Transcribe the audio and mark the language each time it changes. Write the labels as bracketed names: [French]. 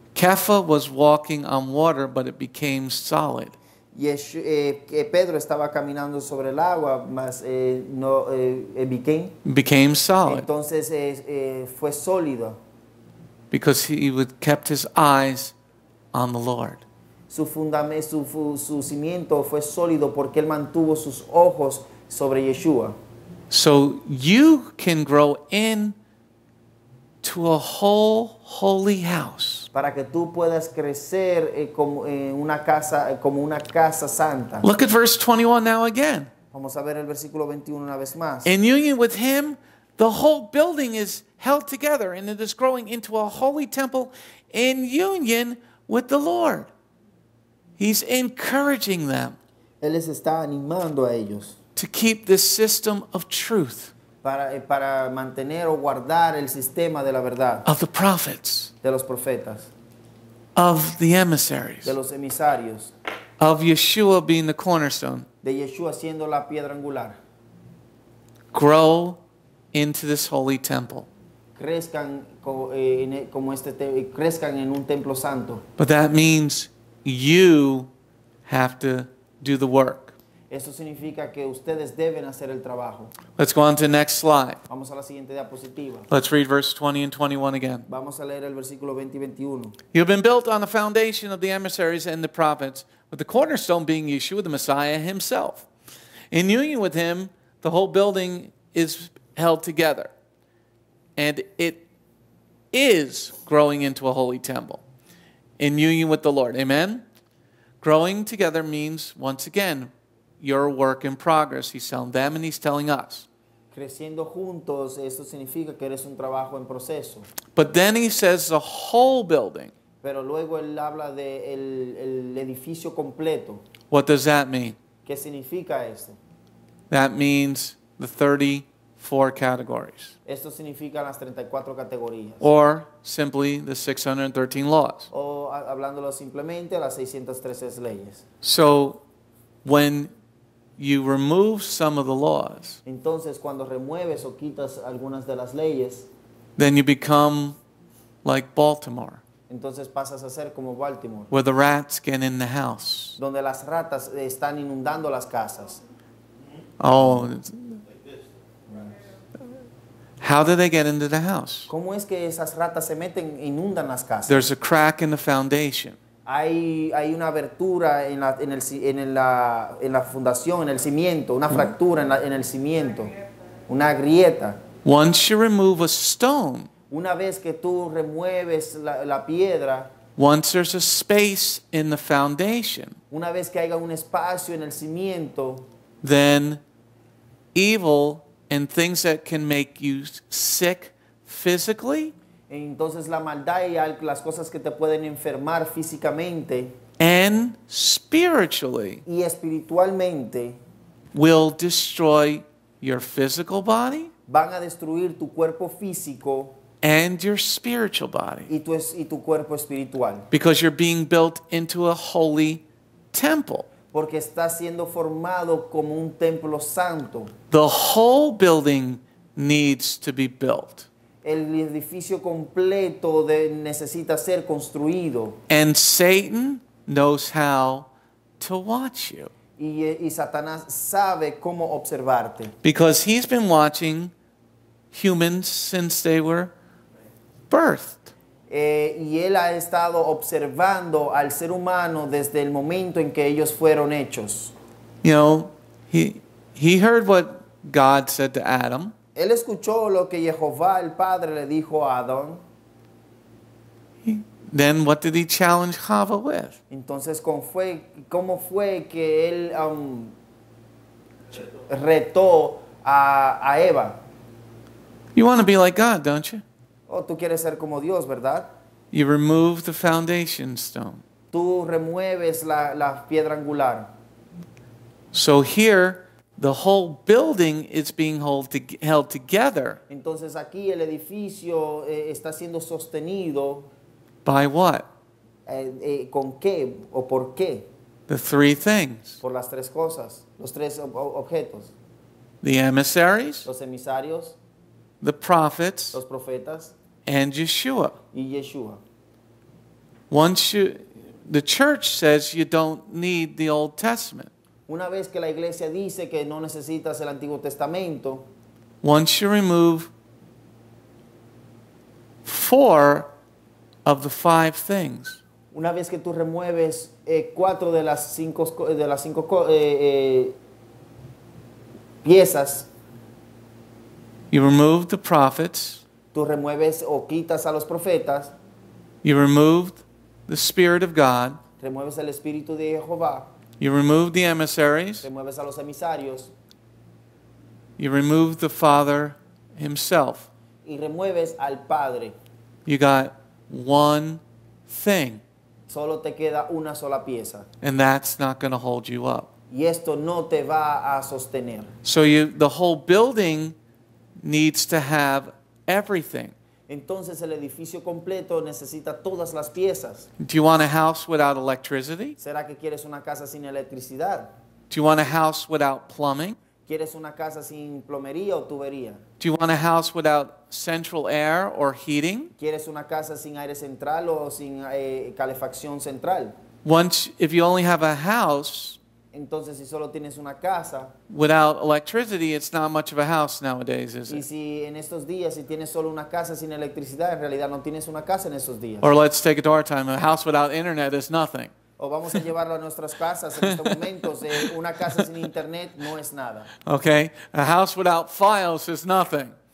[English] Kepha was walking on water, but it became solid. [Spanish] Pedro estaba caminando sobre el agua, mas no [English] became solid. [Spanish] Entonces fue sólido. [English] Because he would kept his eyes on the Lord. [Spanish] Su cimiento fue sólido porque él mantuvo sus ojos sobre Yeshua. [English] So you can grow in to a whole holy house. [Spanish] Para que tú puedas crecer como una casa santa. [English] Look at verse 21 now again. [Spanish] Vamos a ver el versículo 21 una vez más. [English] In union with him, the whole building is held together and it is growing into a holy temple in union with the Lord. He's encouraging them. [Spanish] Él les está animando a ellos. [English] To keep this system of truth. [Spanish] Para mantener o guardar el sistema de la verdad. [English] Of the prophets. [Spanish] De los profetas. [English] of the emissaries, [Spanish] de los emisarios, [English] of Yeshua being the cornerstone, [Spanish] de Yeshua siendo la piedra angular, [English] grow into this holy temple. [Spanish] Crezcan como este, crezcan en un templo santo. [English] But that means you have to do the work. [Spanish] Eso significa que ustedes deben hacer el trabajo. [English] Let's go on to the next slide. [Spanish] Vamos a la siguiente diapositiva. [English] Let's read verse 20 and 21 again. [Spanish] Vamos a leer el versículo 20 y 21. [English] You have been built on the foundation of the emissaries and the prophets, with the cornerstone being Yeshua, the Messiah himself. In union with him, the whole building is held together. And it is growing into a holy temple in union with the Lord. Amen? Growing together means, once again, your work in progress. He's telling them and he's telling us. [Spanish] Creciendo juntos, eso significa que eres un trabajo en proceso. [English] But then he says the whole building. [Spanish] Pero luego él habla de el edificio completo. [English] What does that mean? [Spanish] ¿Qué significa eso? [English] That means the 34 categories. [Spanish] Esto significa las 34 categorías. [English] Or simply the 613 laws. [Spanish] O hablándolo simplemente, las 613 leyes. [English] So when you remove some of the laws, [Spanish] entonces cuando remueves o quitas algunas de las leyes, [English] then you become like Baltimore. [Spanish] Entonces pasas a ser como Baltimore. [English] Where the rats get in the house. [Spanish] Donde las ratas están inundando las casas. [English] Oh, how do they get into the house? [Spanish] ¿Cómo es que esas ratas se meten, inundan las casas? [English] There's a crack in the foundation. [Spanish] Hay una abertura en la fundación, en el cimiento, una fractura en el cimiento, una grieta. [English] Once you remove a stone, [Spanish] una vez que tú remueves la piedra, [English] once there's a space in the foundation, [Spanish] una vez que haya un espacio en el cimiento, [English] then evil and things that can make you sick physically, [Spanish] entonces la maldad y las cosas que te pueden enfermar físicamente, [English] and spiritually, [Spanish] y espiritualmente, [English] will destroy your physical body, [Spanish] van a destruir tu cuerpo físico, [English] and your spiritual body, [Spanish] y tu cuerpo espiritual, [English] because you're being built into a holy temple. [Spanish] Porque está siendo formado como un templo santo. [English] The whole building needs to be built. [Spanish] El edificio completo necesita ser construido. [English] And Satan knows how to watch you. [Spanish] Y Satanás sabe cómo observarte. [English] Because he's been watching humans since they were birthed. [Spanish] Y él ha estado observando al ser humano desde el momento en que ellos fueron hechos. [English] You know, he heard what God said to Adam. [Spanish] Él escuchó lo que Jehová el Padre le dijo a Adán. [English] Then what did he challenge Chava with? [Spanish] Entonces, ¿cómo fue que él retó a Eva? [English] You want to be like God, don't you? [Spanish] Oh, tú quieres ser como Dios, ¿verdad? [English] You remove the foundation stone. [Spanish] Tú remueves la piedra angular. [English] So here, the whole building is being held together. [Spanish] Entonces aquí el edificio está siendo sostenido. [English] By what? [Spanish] ¿Con qué o por qué? [English] The three things. [Spanish] Por las tres cosas, los tres objetos. [English] The emissaries. [Spanish] Los emisarios. [English] The prophets. [Spanish] Los profetas. [English] And Yeshua. [Spanish] Y Yeshua. [English] Once you, the church says you don't need the Old Testament. [Spanish] Una vez que la iglesia dice que no necesitas el Antiguo Testamento. [English] Once you remove four of the five things. [Spanish] Una vez que tú remueves cuatro de las cinco piezas. [English] You remove the prophets. [Spanish] Tú remueves o quitas a los profetas. [English] You removed the Spirit of God. [Spanish] Remueves el Espíritu de Jehová. [English] You removed the emissaries. [Spanish] Remueves a los emisarios. [English] You removed the Father himself. [Spanish] Y remueves al Padre. [English] You got one thing. [Spanish] Solo te queda una sola pieza. [English] And that's not going to hold you up. [Spanish] Y esto no te va a sostener. [English] So the whole building needs to have everything. [Spanish] Entonces el edificio completo necesita todas las piezas. [English] Do you want a house without electricity? [Spanish] ¿Será que quieres una casa sin electricidad? [English] Do you want a house without plumbing? [Spanish] ¿Quieres una casa sin plomería o tubería? [English] Do you want a house without central air or heating? [Spanish] ¿Quieres una casa sin aire central o sin calefacción central? [English] Once, if you only have a house, [Spanish] entonces, si solo tienes una casa, [English] without electricity, it's not much of a house nowadays, is it? [Spanish] Y si en estos días, si tienes solo una casa sin electricidad, en realidad no tienes una casa en estos días. [English] Or let's take it to our time. A house without internet is nothing. [Spanish] O vamos a llevarlo a nuestras casas en estos momentos. Una casa sin internet no es nada. [English] Okay. A house without files is nothing.